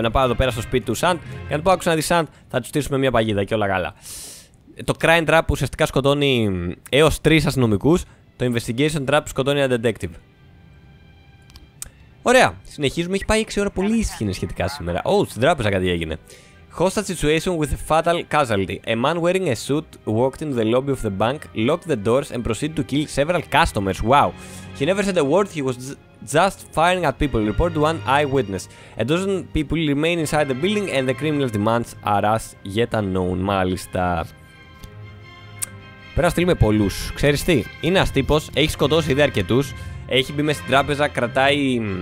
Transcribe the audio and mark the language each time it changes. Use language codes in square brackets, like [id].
[el] Να πάω εδώ πέρα στο σπίτι του Σαντ και να του πω: άκουσα να δει Σαντ, θα του στήσουμε μια παγίδα και όλα καλά. Το crime trap ουσιαστικά σκοτώνει έως 3 αστυνομικούς. Το investigation trap σκοτώνει ένα detective. Ωραία. Συνεχίζουμε. Έχει πάει 6 ώρα. Πολύ ήσυχη σχετικά σήμερα. Oh, στην τράπεζα κάτι έγινε. [en] Hostage situation with a fatal casualty. A man wearing a suit walked into the lobby of the bank, locked the doors and proceeded to kill several customers. Wow. He never said a word, he was just firing at people, reported one eyewitness. A dozen people remain inside the building and the criminal demands are as yet unknown. [el] Μάλιστα. Πρέπει να στείλουμε πολλούς. Ξέρεις τι, είναι ένας τύπος, έχει σκοτώσει ήδη αρκετούς, έχει μπει μέσα στην τράπεζα, κρατάει...